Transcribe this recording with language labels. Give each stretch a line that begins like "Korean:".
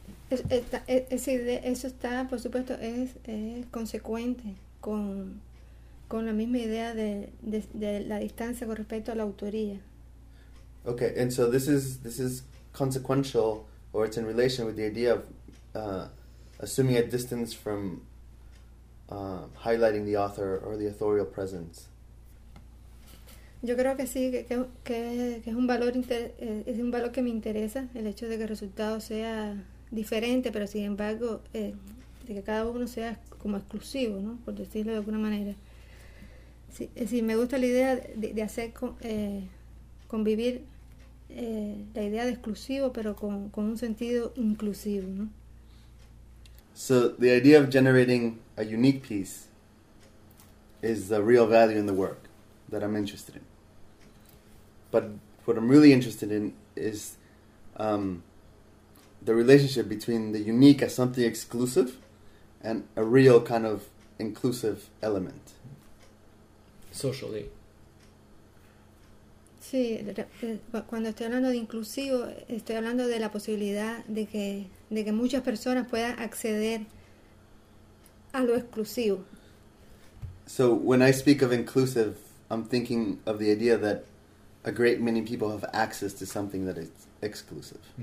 Spanish: Eso está, por supuesto, es consecuente con la misma idea de la distancia con respecto a la autoría.
English: Okay, and so this is consequential, or it's in relation with the idea of assuming a distance from highlighting the author or the authorial presence.
Spanish: Yo creo que sí, que es un valor es un valor que me interesa, el hecho de que el resultado sea diferente, pero sin embargo, de que cada uno sea como exclusivo, ¿no? Por decirlo de alguna manera. Sí, me gusta la idea de hacer convivir la idea de exclusivo, pero con un sentido inclusivo, ¿no?
English: So the idea of generating a unique piece is the real value in the work that I'm interested in. But what I'm really interested in is the relationship between the unique as something exclusive and a real kind of inclusive element. Socially.
Spanish: Sí, cuando estoy hablando de inclusivo, estoy hablando de la posibilidad de que muchas personas puedan acceder a lo exclusivo.
English: So when I speak of inclusive, I'm thinking of the idea that a great many people have access to something that is exclusive.